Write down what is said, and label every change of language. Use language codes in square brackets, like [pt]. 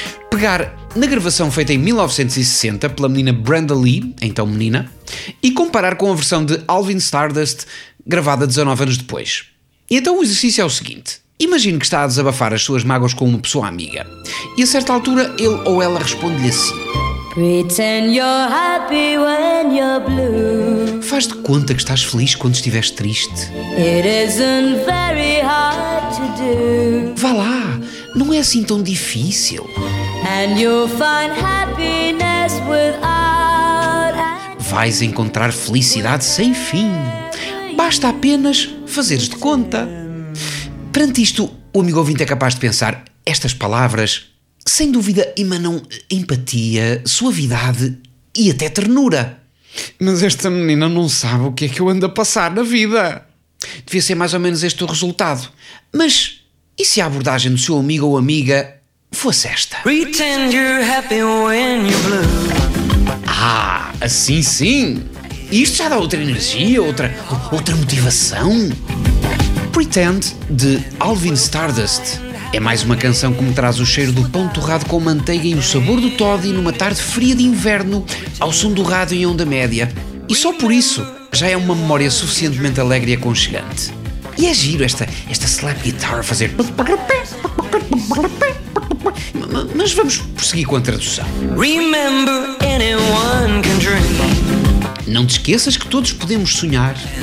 [pt] Pegar na gravação feita em 1960 pela menina Brenda Lee, então menina, e comparar com a versão de Alvin Stardust gravada 19 anos depois. E então o exercício é o seguinte. Imagine que está a desabafar as suas mágoas com uma pessoa amiga. E a certa altura ele ou ela responde-lhe assim. [en] Pretend you're happy when you're blue. [pt] Faz de conta que estás feliz quando estiveres triste. [en] It isn't very hard to do. [pt] Vá lá, não é assim tão difícil. [en] And you'll find happiness without any... [pt] Vais encontrar felicidade sem fim. Basta apenas fazeres de conta. Perante isto, o amigo ouvinte é capaz de pensar, estas palavras, sem dúvida, emanam empatia, suavidade e até ternura. Mas esta menina não sabe o que é que eu ando a passar na vida. Devia ser mais ou menos este o resultado. Mas e se a abordagem do seu amigo ou amiga fosse esta? [en] Pretend you're happy when you're blue. [pt] Ah, assim sim. E isto já dá outra energia, outra motivação. Pretend, de Alvin Stardust. É mais uma canção que me traz o cheiro do pão torrado com manteiga e o sabor do toddy numa tarde fria de inverno, ao som do rádio em onda média. E só por isso, já é uma memória suficientemente alegre e aconchegante. E é giro esta slap guitar a fazer... Mas vamos prosseguir com a tradução. [en] Remember anyone can dream. [pt] Não te esqueças que todos podemos sonhar.